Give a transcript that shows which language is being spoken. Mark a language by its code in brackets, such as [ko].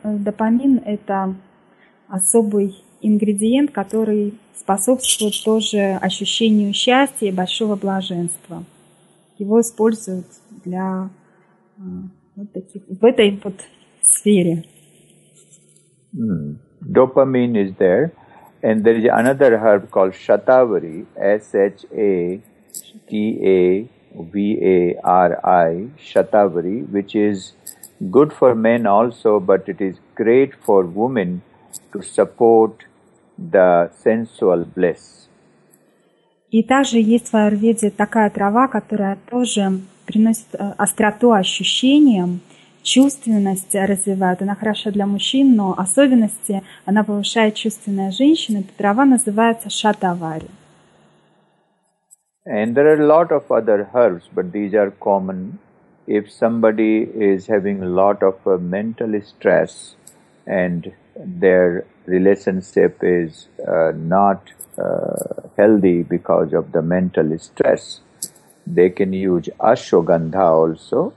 [ru] Допамин – это особый ингредиент, который способствует тоже ощущению счастья и большого блаженства. Его используют для вот таких, в этой вот сфере. [en] Допамин is there. And there is another herb called Shatavari, S-H-A-T-A-V-A-R-I, Shatavari, which is good for men also, but it is great for women to support the sensual bliss. [ru] И также есть в Аюрведе такая трава, которая тоже приносит остроту ощущениям, чувственность развивает. Она хороша для мужчин, но особенности она повышает чувственность женщины. Эта трава называется Шатавари. [en] And there are a lot of other herbs, but these are common. If somebody is having a lot of mental stress and their relationship is not healthy because of the mental stress, they can use Ashwagandha also.